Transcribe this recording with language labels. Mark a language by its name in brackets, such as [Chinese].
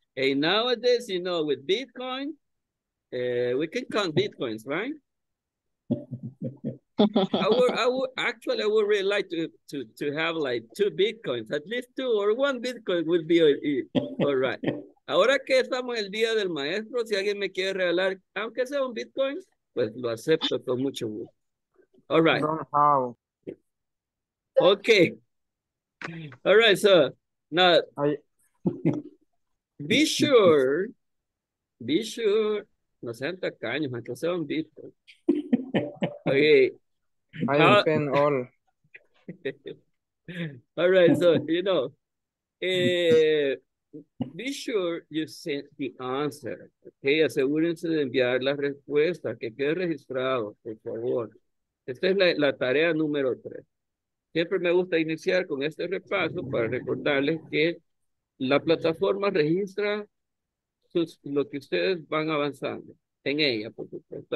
[English] Hey, nowadays, you know, with Bitcoin, we can count Bitcoins, right? I would really like to have like two Bitcoins, at least two, or one Bitcoin would be all right. [Spanish] Ahora que estamos el día del maestro, si alguien me quiere regalar, aunque sea un Bitcoin, pues lo acepto con mucho gusto. [English] All right. Somehow. Okay. All right, so now... Be sure, [Spanish] no sean tacaños, man, que sean Bitcoin. Okay. [English] I open all. All right, so, you know, be sure you send the answer, okay? [Spanish] Asegúrense de enviar la respuesta, que quede registrado, por favor. Esta es la tarea número 3. Siempre me gusta iniciar con este repaso para recordarles que la plataforma registra lo que ustedes van avanzando en ella, por supuesto.